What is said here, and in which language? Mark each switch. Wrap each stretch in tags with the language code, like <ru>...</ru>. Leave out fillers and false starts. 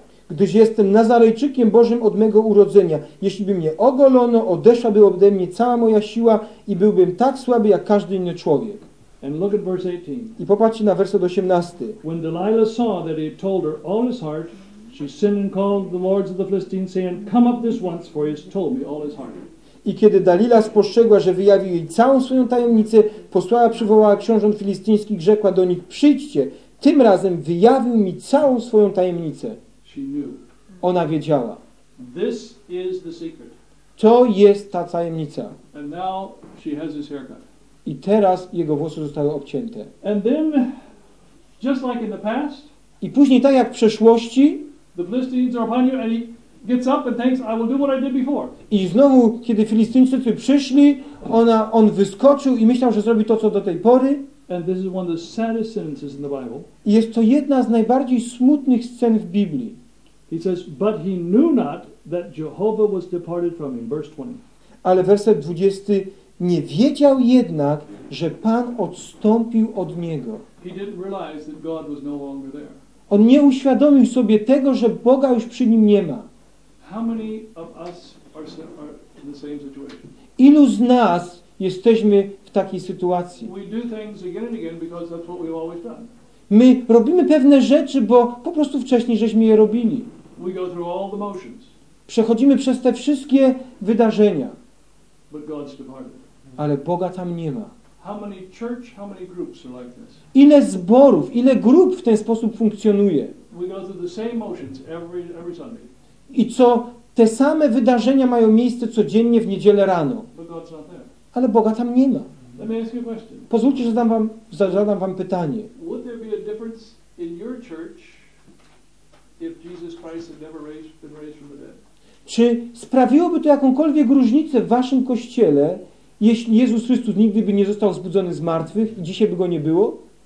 <pl>Gdyż jestem Nazarejczykiem Bożym od mego urodzenia. Jeśli by mnie ogolono, odeszłaby ode mnie cała moja siła i byłbym tak słaby jak każdy inny człowiek.</pl> <en>And look at verse 18.</en> <pl>I popatrzcie na werset 18.</pl> <en>When Delilah saw that he had told her all his heart, she sent and called the lords of the Philistines, saying, "Come up this once, for he has told me all his heart."</en> <pl>I kiedy Dalila spostrzegła, że wyjawił jej całą swoją tajemnicę, posłała, przywołała książąt filistyńskich, rzekła do nich: przyjdźcie, tym razem wyjawił mi całą swoją tajemnicę. Ona wiedziała.</pl> <en>This is the secret.</en> <pl>To jest ta tajemnica.</pl> <en>And now she has his haircut.</en> <pl>I teraz jego włosy zostały obcięte.</pl> <en>And then, just like in the past,</en> <pl>i później, tak jak w przeszłości,</pl> <en>the Philistines are upon you, and he gets up and thinks, I will do what I did before.</en> <pl>I znowu, kiedy Filistyńczycy przyszli, on wyskoczył i myślał, że zrobi to, co do tej pory.</pl> <en>And this is one of the saddest sentences in the Bible.</en> <pl>I jest to jedna z najbardziej smutnych scen w Biblii.</pl> <en>He says, but he knew not that Jehovah was departed from him. Verse 20.</en> <pl>Ale werset 20. Nie wiedział jednak, że Pan odstąpił od niego.</pl> <en>He didn't realize that God was no longer there.</en> <pl>On nie uświadomił sobie tego, że Boga już przy nim nie ma.</pl> <en>How many of us are in the same situation?</en> <pl>Ilu z nas jesteśmy w takiej sytuacji?</pl> <en>We do things again and again because that's what we've always done.</en> <pl>My robimy pewne rzeczy, bo po prostu wcześniej żeśmy je robili.</pl> <en>We go through all the motions.</en> <pl>Przechodzimy przez te wszystkie wydarzenia.</pl> <en>But God's departed.</en> <pl>Ale Boga tam nie ma.</pl> <en>How many church, how many groups are like this?</en> <pl>Ile zborów, ile grup w ten sposób funkcjonuje?</pl> <en>We go through the same motions every Sunday.</en> <pl>I co, te same wydarzenia mają miejsce codziennie w niedzielę rano.</pl> <en>But God's not there.</en> <pl>Ale Boga tam nie ma.</pl> <en>Let me ask you a question.</en> <pl>Pozwólcie, że zadam wam pytanie.</pl> <en>Would there be a difference in your church if Jesus Christ had never been raised from the dead?</en> <pl>Czy sprawiłoby to jakąkolwiek różnicę w waszym kościele, jeśli Jezus Chrystus nigdy by nie został wzbudzony z martwych i dzisiaj by go nie było?</pl>